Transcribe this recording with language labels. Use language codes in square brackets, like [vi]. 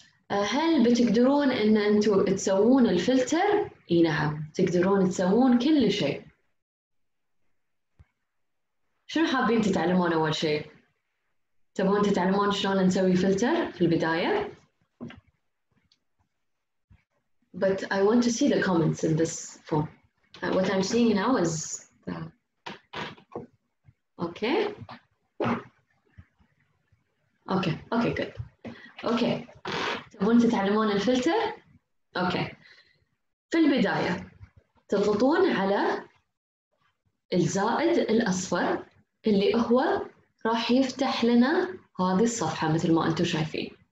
[ar] هل بتقدرون ان انتم تسوون الفلتر؟ اي نعم تقدرون تسوون كل شيء. شنو حابين تتعلمون اول شيء؟ تبون تتعلمون شلون نسوي فلتر في البدايه؟ [en] But I want to see the comments in this form. What I'm seeing now is okay. Okay, okay, good. Okay. [ar] تبون تتعلمون الفلتر؟ اوكي. في البداية تضغطون على الزائد الأصفر اللي هو راح يفتح لنا هذه الصفحة مثل ما أنتم شايفين.